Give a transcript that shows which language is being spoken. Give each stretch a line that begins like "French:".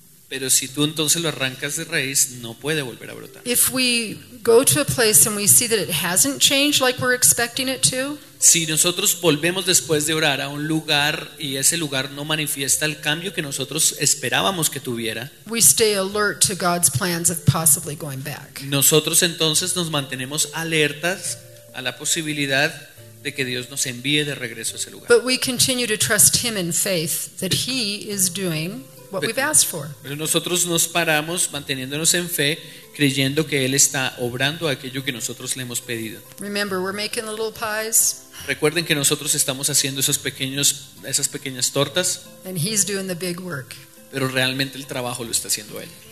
Spanish: Pero si tú entonces lo arrancas de raíz, no puede volver a brotar.
English: If we go to a place and we see that it hasn't changed like we're expecting it to,
Spanish: si nosotros volvemos después de orar a un lugar y ese lugar no manifiesta el cambio que nosotros esperábamos que tuviera,
English: we stay alert to God's plans of possibly going back.
Spanish: Nosotros entonces nos mantenemos alertas a la posibilidad de que Dios nos envíe de regreso a ese lugar.
English: But we continue to trust Him in faith that He is doing what we've asked for.
Spanish: Pero nosotros nos paramos manteniéndonos en fe, creyendo que Él está obrando aquello que nosotros le hemos pedido.
English: Remember, we're making little pies.
Spanish: Recuerden que nosotros estamos haciendo esas pequeñas tortas.
English: And He's doing the big work.
Spanish: Pero realmente el trabajo lo está haciendo Él.